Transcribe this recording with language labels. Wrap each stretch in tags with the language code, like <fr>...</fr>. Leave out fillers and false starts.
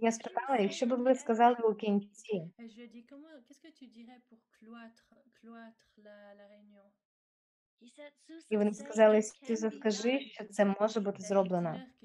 <uk>я спитала, що би ви сказали у кінці?</uk> <fr>Je lui dis, comment, qu'est-ce que tu dirais pour cloître la réunion?</fr> <en>He said,</en> <uk>і вони сказали, Сюзо, скажи, що це може бути зроблено.</uk>